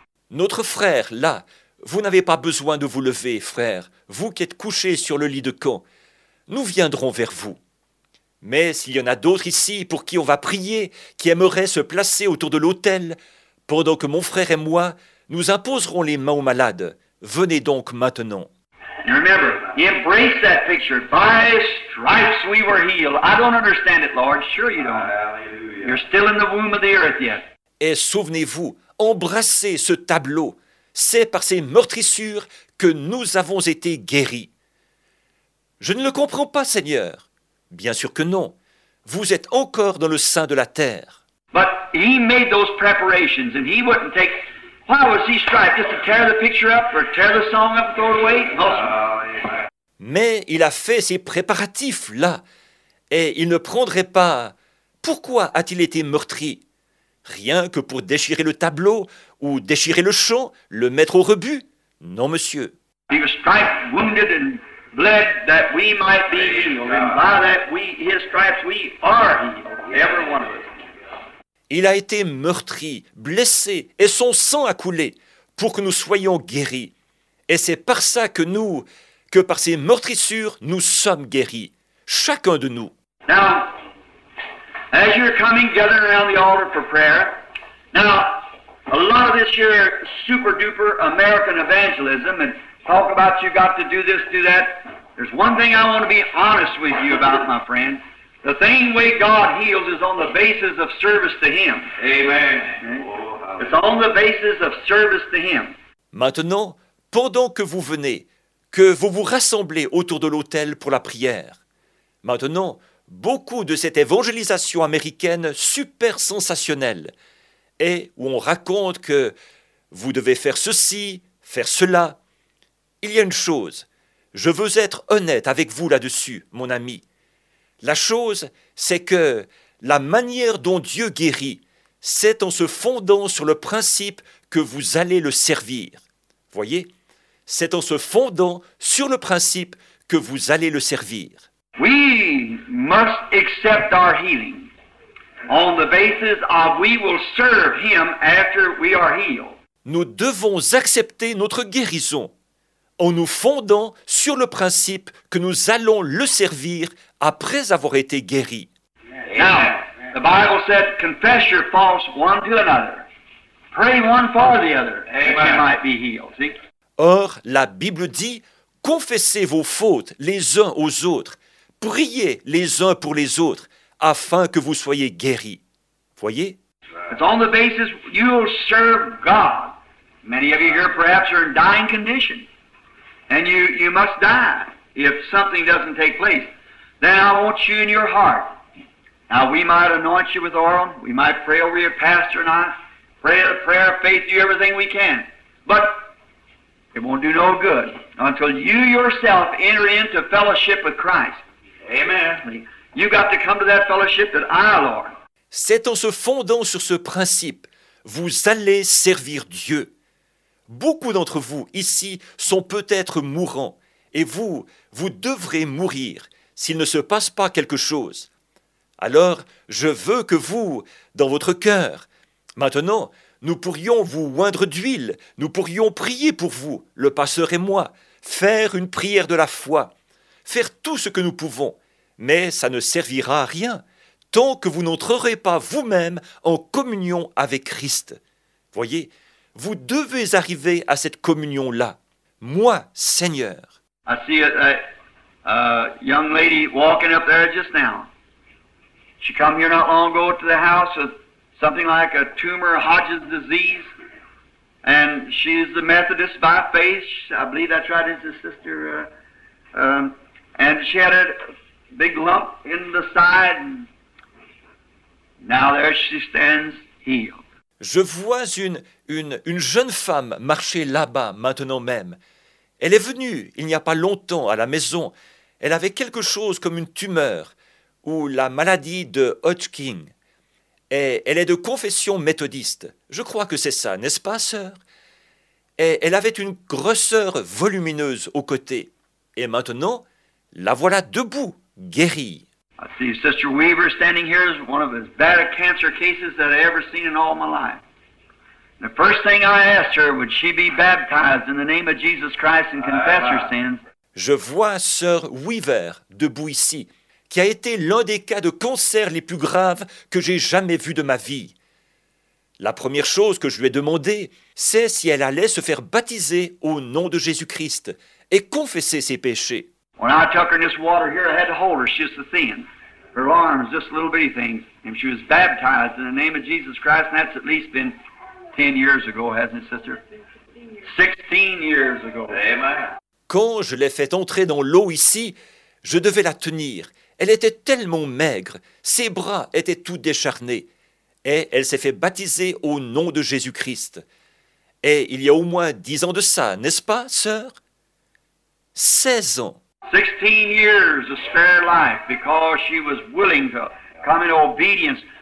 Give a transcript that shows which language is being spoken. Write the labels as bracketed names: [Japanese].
[French] Notre frère, là, vous n'avez pas besoin de vous lever, frère, vous qui êtes couché sur le lit de camp. Nous viendrons vers vous. Mais s'il y en a d'autres ici pour qui on va prier, qui aimeraient se placer autour de l'autel, pendant que mon frère et moi, nous imposerons les mains aux malades. Venez donc maintenant. [English] Remember, embrace that picture. By stripes we were healed. I don't understand it, Lord. Sure you don't. You're still in the womb of the earth yet. [French] Et souvenez-vous, embrassez ce tableau. C'est par ces meurtrissures que nous avons été guéris. Je ne le comprends pas, Seigneur. Bien sûr que non. Vous êtes encore dans le sein de la terre. [English] But he made those preparations and he wouldn't take... Why was he striped? Just to tear the picture up or tear the song up and throw it away? No. [French] Mais il a fait ses préparatifs là et il ne prendrait pas... Pourquoi a-t-il été meurtri? Rien que pour déchirer le tableau ou déchirer le champ, le mettre au rebut? Non, monsieur. [English] He was striped, wounded and... Bled that we might be healed, and by that we, his stripes, we are healed, every one of us. [French] Il a été meurtri, blessé, et son sang a coulé pour que nous soyons guéris. Et c'est par ça que nous, que par ces meurtrissures, nous sommes guéris, chacun de nous. [English] Now, as you're coming, gathering around the altar for prayer, now, a lot of this year, super-duper American evangelism, and talk about you got to do this, do that. There's one thing I want to be honest with you about, my friend. The same way God heals is on the basis of service to Him. Amen. It's on the basis of service to Him. [French] Maintenant, pendant que vous venez, que vous vous rassemblez autour de l'autel pour la prière, maintenant, beaucoup de cette évangélisation américaine super sensationnelle et où on raconte que vous devez faire ceci, faire cela, il y a une chose, je veux être honnête avec vous là-dessus, mon ami. La chose, c'est que la manière dont Dieu guérit, c'est en se fondant sur le principe que vous allez le servir. Voyez, c'est en se fondant sur le principe que vous allez le servir. [English] We must accept our healing on the basis of we will serve him after we are healed. [French] Nous devons accepter notre guérison en nous fondant sur le principe que nous allons le servir après avoir été guéris. [English] Now, the Bible said, confess your faults one to another. Pray one for the other, that you might be healed. See? [French] Or, la Bible dit, confessez vos fautes les uns aux autres, priez les uns pour les autres, afin que vous soyez guéris. Voyez? [English] It's on the basis you will serve God. Many of you here perhaps are in dying condition. And you must die if something doesn't take place. Then I want you in your heart. Now we might anoint you with oil. We might pray over your pastor and I. Pray a prayer of faith, do everything we can. But it won't do no good until you yourself enter into fellowship with Christ. Amen. You've got to come to that fellowship that I, Lord. [French] C'est en se fondant sur ce principe, vous allez servir Dieu. Beaucoup d'entre vous ici sont peut-être mourants, et vous devrez mourir s'il ne se passe pas quelque chose. Alors, je veux que vous, dans votre cœur, maintenant, nous pourrions vous oindre d'huile, nous pourrions prier pour vous, le pasteur et moi, faire une prière de la foi, faire tout ce que nous pouvons, mais ça ne servira à rien tant que vous n'entrerez pas vous-même en communion avec Christ. Voyez, vous devez arriver à cette communion-là. Moi, Seigneur. [English] I see a young lady walking up there just now. She come here not long ago to the house with something like a tumor, Hodge's disease. And she's a Methodist by faith. I believe that's right, it's a sister. And she had a big lump in the side. And now there she stands healed. [French] Je vois une jeune femme marcher là-bas maintenant même. Elle est venue il n'y a pas longtemps à la maison. Elle avait quelque chose comme une tumeur ou la maladie de Hodgkin. Et elle est de confession méthodiste. Je crois que c'est ça, n'est-ce pas, sœur? Et elle avait une grosseur volumineuse au côté. Et maintenant, la voilà debout, guérie. [English] I see Sister Weaver standing here is one of as bad a cancer cases that I've ever seen in all my life. The first thing I asked her, would she be baptized in the name of Jesus Christ and confess her sins? [French] Je vois Sœur Weaver debout ici, qui a été l'un des cas de cancer les plus graves que j'ai jamais vu de ma vie. La première chose que je lui ai demandé, c'est si elle allait se faire baptiser au nom de Jésus-Christ et confesser ses péchés. [English] When I took her in this water here, I had to hold her. She's so thin. Her arms, just little bitty things. And she was baptized in the name of Jesus Christ. And that's at least been 10 years ago, hasn't it, sister? 16 years ago. Amen. [French] Quand je l'ai fait entrer dans l'eau ici, je devais la tenir. Elle était tellement maigre. Ses bras étaient tout décharnés. Et elle s'est fait baptiser au nom de Jésus-Christ. Et il y a au moins 10 ans de ça, n'est-ce pas, sœur? 16 ans. [English] 16 years of spare life because she was willing to come in obedience.